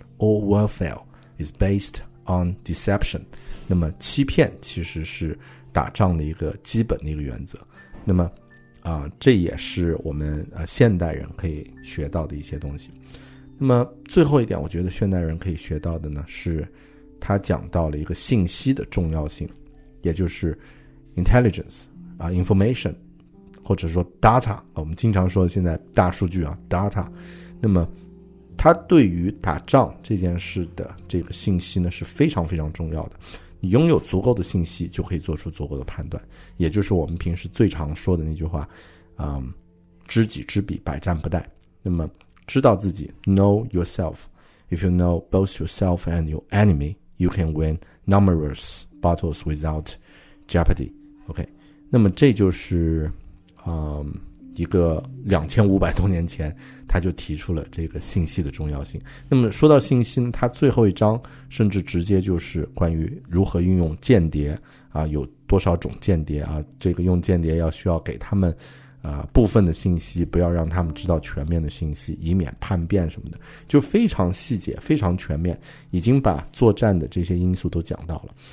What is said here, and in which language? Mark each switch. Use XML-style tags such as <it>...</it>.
<en>All warfare is based on deception。</en> <zh>那么欺骗其实是打仗的一个基本的一个原则。那么这也是我们现代人可以学到的一些东西。那么最后一点我觉得现代人可以学到的呢，是他讲到了一个信息的重要性，也就是 intelligence information， 或者说 data， 我们经常说现在大数据啊 data。那么他对于打仗这件事的这个信息呢是非常非常重要的，你拥有足够的信息就可以做出足够的判断，也就是我们平时最常说的那句话知己知彼百战不殆。</zh> <en>那么知道自己 know yourself， if you know both yourself and your enemy you can win numerous battles without jeopardy。</en> <zh>OK， 那么这就是一个2500多年前他就提出了这个信息的重要性。那么说到信息呢，他最后一章甚至直接就是关于如何运用间谍啊，有多少种间谍啊，这个用间谍要需要给他们部分的信息，不要让他们知道全面的信息，以免叛变什么的，就非常细节非常全面，已经把作战的这些因素都讲到了。</zh>